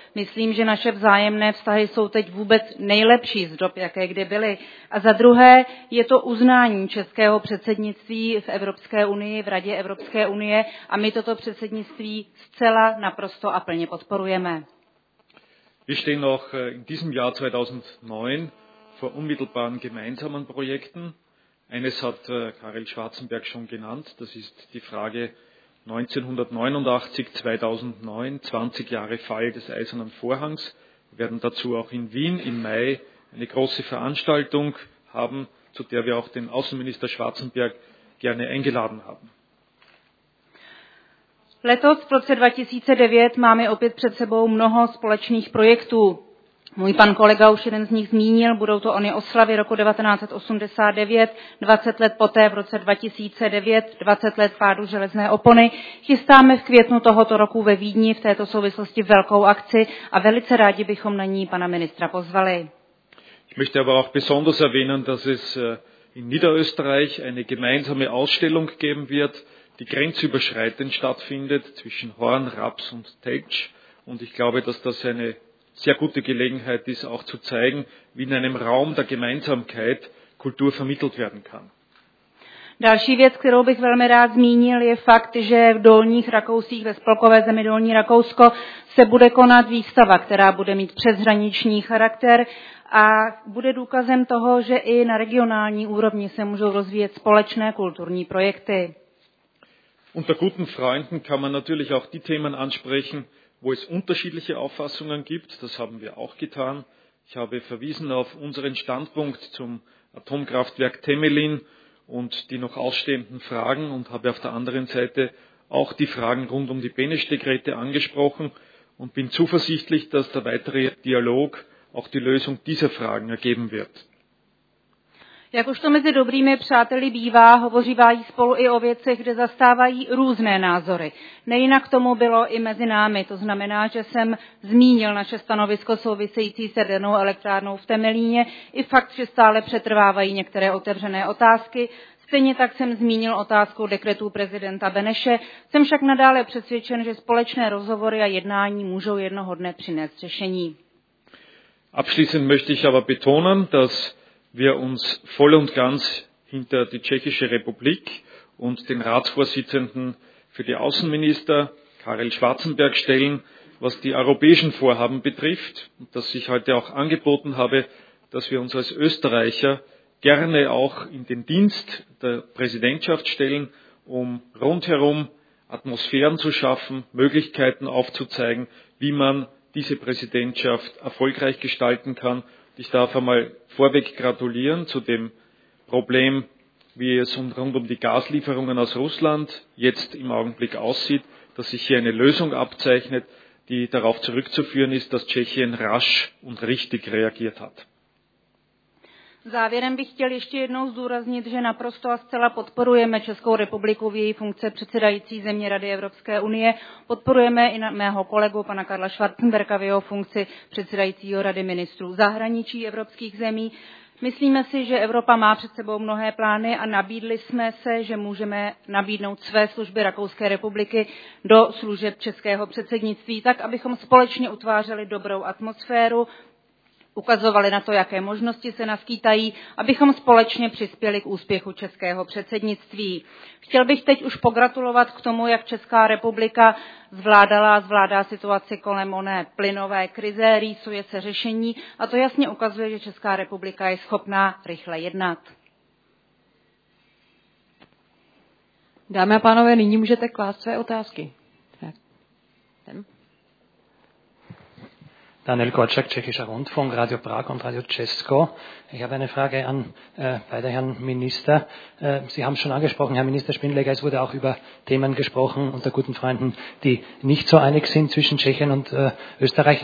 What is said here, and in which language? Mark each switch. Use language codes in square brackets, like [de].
[cs] Myslím, že naše vzájemné vztahy jsou teď vůbec nejlepší z dob, jaké kdy byly. A za druhé, je to uznání českého předsednictví v Evropské unii, v Radě Evropské unie a my toto předsednictví zcela, naprosto a plně podporujeme. [de] Wir stehen noch in diesem Jahr 2009 vor unmittelbaren gemeinsamen Projekten. Eines hat Karel Schwarzenberg schon genannt, das ist die Frage 1989-2009, 20 Jahre Fall des Eisernen Vorhangs. Wir werden dazu auch in Wien im Mai eine große Veranstaltung haben, zu der wir auch den Außenminister Schwarzenberg gerne eingeladen haben. [cs] Letos v roce 2009 máme opět před sebou mnoho společných projektů. Můj pan kolega už jeden z nich zmínil, budou to ony oslavy roku 1989, 20 let poté v roce 2009, 20 let pádu železné opony. Chystáme v květnu tohoto roku ve Vídni v této souvislosti velkou akci a velice rádi bychom na ní pana ministra pozvali. [de] Ich möchte aber auch besonders erwähnen, dass es in Niederösterreich eine gemeinsame Ausstellung geben wird, die grenzüberschreitend stattfindet zwischen Horn, Raps und Tetsch. Und ich glaube, dass das eine sehr gute Gelegenheit ist, auch zu zeigen, wie in einem Raum der Gemeinsamkeit Kultur vermittelt werden kann. [cs] Další věc, kterou bych velmi rád zmínil, je fakt, že v Dolních Rakousích, ve spolkové zemi Dolní Rakousko, se bude konat výstava, která bude mít přeshraniční charakter a bude důkazem toho, že i na regionální úrovni se můžou rozvíjet společné kulturní projekty. [de] Unter guten Freunden kann man natürlich auch die Themen ansprechen, wo es unterschiedliche Auffassungen gibt, das haben wir auch getan. Ich habe verwiesen auf unseren Standpunkt zum Atomkraftwerk Temelin und die noch ausstehenden Fragen und habe auf der anderen Seite auch die Fragen rund um die Beneš-Dekrete angesprochen und bin zuversichtlich, dass der weitere Dialog auch die Lösung dieser Fragen ergeben wird. [cs] Jak už to mezi dobrými přáteli bývá, hovořívají spolu i o věcech, kde zastávají různé názory. Nejinak tomu bylo i mezi námi, to znamená, že jsem zmínil naše stanovisko související s jadernou elektrárnou v Temelíně i fakt, že stále přetrvávají některé otevřené otázky. Stejně tak jsem zmínil otázku dekretu prezidenta Beneše. Jsem však nadále přesvědčen, že společné rozhovory a jednání můžou jednoho dne přinést řešení. [de] Abschließend möchte ich aber betonen, dass wir uns voll und ganz hinter die Tschechische Republik und den Ratsvorsitzenden für die Außenminister, Karel Schwarzenberg, stellen, was die europäischen Vorhaben betrifft, und dass ich heute auch angeboten habe, dass wir uns als Österreicher gerne auch in den Dienst der Präsidentschaft stellen, um rundherum Atmosphären zu schaffen, Möglichkeiten aufzuzeigen, wie man diese Präsidentschaft erfolgreich gestalten kann. Ich darf einmal vorweg gratulieren zu dem Problem, wie es rund um die Gaslieferungen aus Russland jetzt im Augenblick aussieht, dass sich hier eine Lösung abzeichnet. die darauf zurückzuführen ist, dass Tschechien rasch und richtig reagiert hat. [cs] Závěrem bych chtěl ještě jednou zdůraznit, že naprosto a zcela podporujeme Českou republiku v její funkci předsedající země Rady Evropské unie. Podporujeme i mého kolegu pana Karla Schwarzenberga v jeho funkci předsedajícího Rady ministrů zahraničí evropských zemí. Myslíme si, že Evropa má před sebou mnohé plány a nabídli jsme se, že můžeme nabídnout své služby Rakouské republiky do služeb českého předsednictví, tak abychom společně utvářeli dobrou atmosféru, ukazovali na to, jaké možnosti se naskýtají, abychom společně přispěli k úspěchu českého předsednictví. Chtěl bych teď už pogratulovat k tomu, jak Česká republika zvládala a zvládá situaci kolem oné plynové krize, rýsuje se řešení a to jasně ukazuje, že Česká republika je schopná rychle jednat. Dámy a pánové, nyní můžete klást své otázky. [de] Daniel Gorczak, Tschechischer Rundfunk, Radio Prag und Radio Česko. Ich habe eine Frage an beide Herren Minister. Sie haben schon angesprochen, Herr Minister Spindlegger, es wurde auch über Themen gesprochen unter guten Freunden, die nicht so einig sind zwischen Tschechien und Österreich.